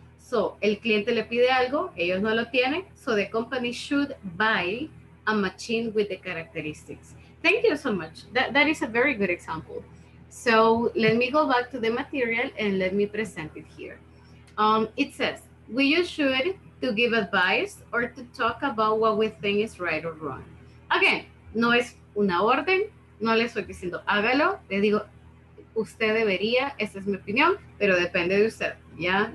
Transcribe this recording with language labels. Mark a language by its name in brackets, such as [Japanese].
[Spanish] So, el cliente le pide algo, ellos no lo tienen. [English] So, the company should buy a machine with the characteristics. Thank you so much. That is a very good example. So let me go back to the material and let me present it here. It says, we use should to give advice or to talk about what we think is right or wrong. [Spanish] Again, no es una orden, no le estoy diciendo hágalo, le digo, usted debería, esa es mi opinión, pero depende de usted, yeah?